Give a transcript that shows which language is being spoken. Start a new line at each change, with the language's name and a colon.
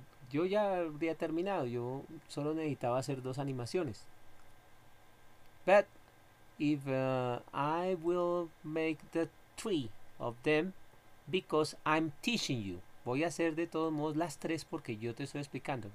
Spanish: Yo ya había terminado, yo solo necesitaba hacer dos animaciones.
English: But if I will make the three of them because I'm teaching you.
Spanish: Voy a hacer de todos modos las tres porque yo te estoy explicando.